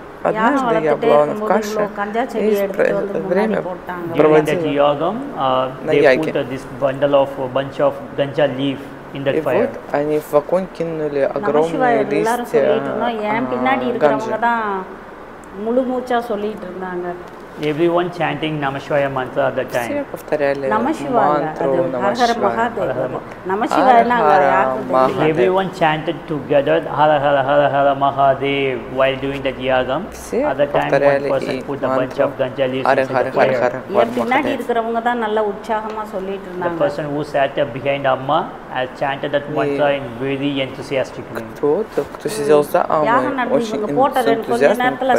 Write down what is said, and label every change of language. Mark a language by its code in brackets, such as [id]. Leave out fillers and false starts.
[ru] Однажды я была в Каше, и время проводила на яге. [en] During that yagam, they put this bunch of ganja leaf in that fire. [ru] Вот они в огонь кинули огромные листья ганджи. [en] Everyone chanting Namashivaya mantra at that time. [ru] Все повторяли мантру Namashivaya. [en] Everyone chanted together Hara Hara Hara Hara Mahadev while doing that yagam. At that time one person put a bunch of ganja leaves in the fire. The person who sat behind Amma has chanted that mantra in very enthusiastically. [ru] Кто сидел за Аммой очень энтузиастно.